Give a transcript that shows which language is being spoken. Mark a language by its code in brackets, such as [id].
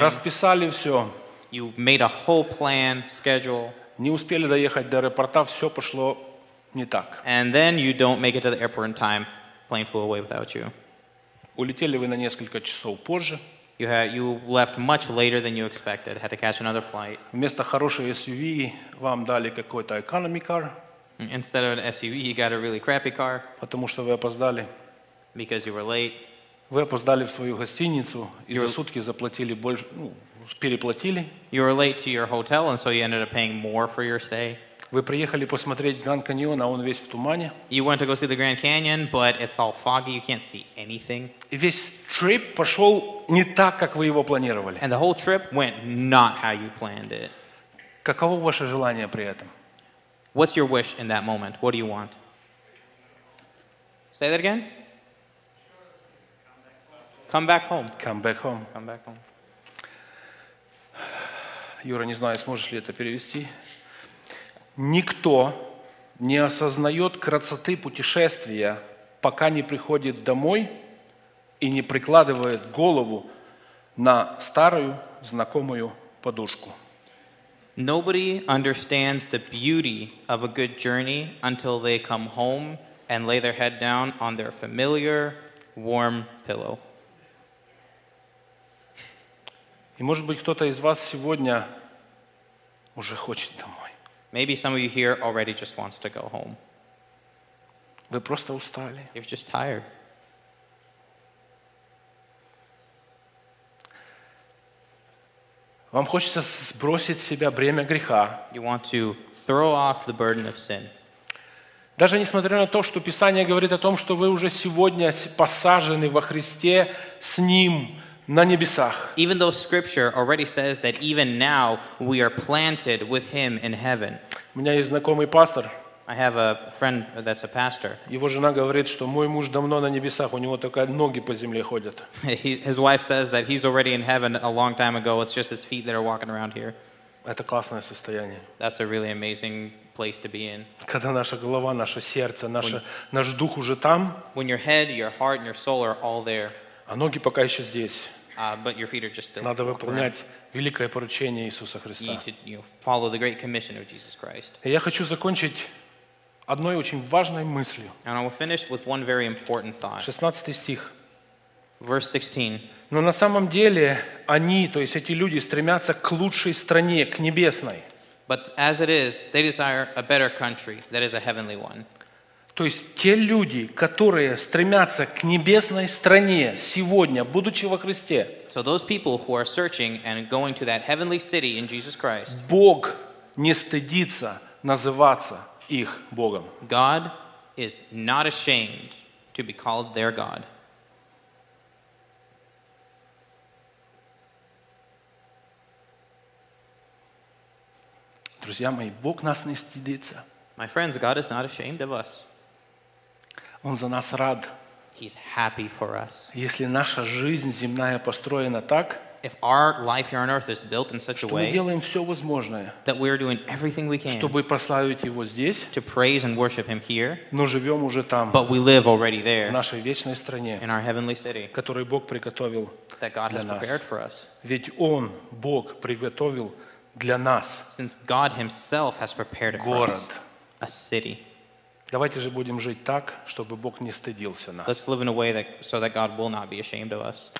[ru] Расписали все. [en] You made a whole plan, schedule. [ru] Не успели доехать до аэропорта, все пошло не так. [en] And then you don't make it to the airport in time, plane flew away without you. [ru] Улетели вы на несколько часов позже. [en] You left much later than you expected, had to catch another flight. [ru] Вместо хорошей SUV вам дали какой-то [en] economy car. Instead of an SUV, you got a really crappy car. [ru] Потому что вы опоздали. [en] Because you were late. [ru] Вы опоздали в свою гостиницу и за сутки заплатили больше, ну, переплатили. [en] You were late to your hotel, and so you ended up paying more for your stay. [ru] Вы приехали посмотреть Гранд Каньон, а он весь в тумане. [en] You went to go see the Grand Canyon, but it's all foggy. You can't see anything. [ru] И весь trip пошел не так, как вы его планировали. [en] And the whole trip went not how you planned it. [ru] Каково ваше желание при этом? [en] What's your wish in that moment? What do you want? Say that again. Come back home. Come back home. Come back home. [ru] Юра, не знаю, сможешь ли это перевести. Никто не осознает красоты путешествия, пока не приходит домой и не прикладывает голову на старую знакомую подушку. [en] Nobody understands the beauty of a good journey until they come home and lay their head down on their familiar, warm pillow. [ru] И может быть кто-то из вас сегодня уже хочет домой. [en] Maybe some of you here already just wants to go home. [ru] Вы просто устали. [en] You're just tired. [ru] Вам хочется сбросить с себя бремя греха. [en] You want to throw off the burden of sin. [ru] Даже несмотря на то, что Писание говорит о том, что вы уже сегодня посажены во Христе с Ним на небесах. [en] Even though Scripture already says that even now we are planted with Him in heaven. [ru] У меня есть знакомый пастор. [en] I have a friend that's a pastor. [ru] Его жена говорит, что мой муж давно на небесах, у него только ноги по земле ходят. [en] His wife says that he's already in heaven a long time ago. It's just his feet that are walking around here. [ru] Это классное состояние. [en] That's a really amazing place to be in. [ru] Когда наша голова, наше сердце, наш дух уже там. [en] When your head, your heart, and your soul are all there. [ru] А ноги пока еще здесь. [en] But your feet are just still. [ru] Надо выполнять великое поручение Иисуса Христа. [en] You need to, you know, follow the great commission of Jesus Christ. [ru] Я хочу закончить одной очень важной мыслью. [en] And I will finish with one very important thought. [ru] 16 стих. [en] Verse 16. [ru] Но на самом деле они, то есть эти люди, стремятся к лучшей стране, к небесной. [en] But as it is, they desire a better country, that is a heavenly one. [ru] То есть те люди, которые стремятся к небесной стране сегодня, будучи во Христе. [en] So those people who are searching and going to that heavenly city in Jesus Christ. [ru] Бог не стыдится называться их Богом. [en] God is not ashamed to be called their God. [ru] Друзья мои, Бог нас не стыдится. [en] My friends, God is not ashamed of us. [ru] Он за нас рад. [en] He's happy for us. [ru] Если наша жизнь земная построена так, [en] if our life here on earth is built in such a way, [ru] мы делаем все возможное, [en] that we are doing everything we can, [ru] чтобы прославить его здесь, [en] to praise and worship him here, [ru] но живем уже там, [en] but we live already there, [ru] в нашей вечной стране, [en] in our heavenly city, [ru] который Бог приготовил [en] that God [ru] для [en] has prepared for us. [ru] Ведь Он, Бог, приготовил для нас, [en] since God himself has prepared [ru] город, [en] a city. [ru] Давайте же будем жить так, чтобы Бог не стыдился нас. [en] Let's live in a way that, so that God will not be ashamed of us.